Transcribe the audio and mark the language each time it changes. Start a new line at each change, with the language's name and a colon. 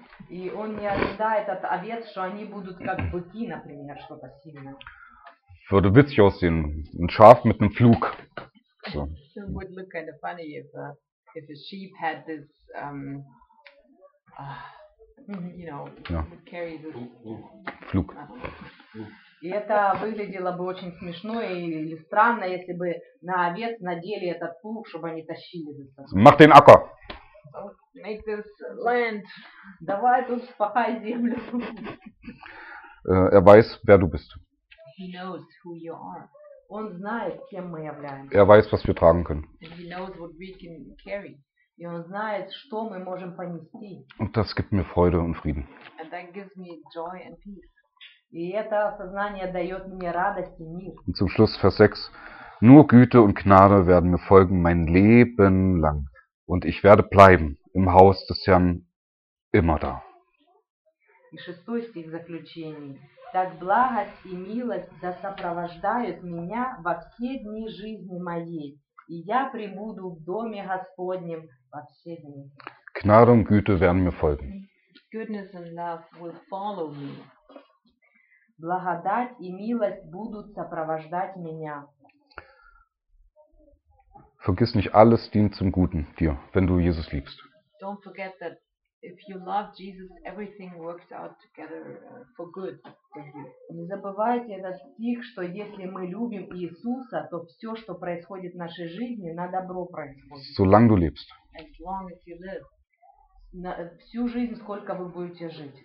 Russian: И он не ожидает от овец, что они будут как быки, например, что-то сильное.
German: Würde witzig aussehen, ein Schaf mit einem Flug. So.
English: It would look kind of funny if a sheep had this, you know, ja. Would carry this
German: Flug.
Russian: И это выглядело бы очень смешно или странно, если бы на овец надели этот плуг, чтобы они тащили за собой.
German: Mach den Acker.
English: So, make this land.
Russian: Давай тут вспахай землю.
German: Er weiß, wer du bist.
English: He knows who you are.
Russian: Он знает, кем мы являемся.
German: Er weiß, was wir tragen können.
English: And he knows what we can carry.
Russian: И он знает, что мы можем понести.
German: Und das gibt mir Freude und Frieden.
English: And that gives me joy and peace.
Russian: И это осознание дает мне радость и мир.
German: Und zum Schluss Vers 6. Nur Güte und Gnade werden mir folgen mein Leben lang. Und ich werde bleiben im Haus des Herrn immer da.
Russian: И 6 стих заключений. Так благость и милость да сопровождают меня во все дни жизни моей. И я пребуду в доме Господнем во все дни.
German: Gnade und Güte werden mir folgen.
English: Goodness and love will follow me.
Russian: Благодать и милость будут сопровождать меня.
German: Vergiss nicht, alles dient zum Guten dir, wenn du Jesus liebst.
English: Don't forget that if you love Jesus, everything works out together for good for you.
Russian: Не забывайте этот стих, что если мы любим Иисуса, то все, что происходит в нашей жизни, на добро происходит.
German: Solange du lebst.
English: As long as you live.
Russian: Всю жизнь, сколько вы будете жить.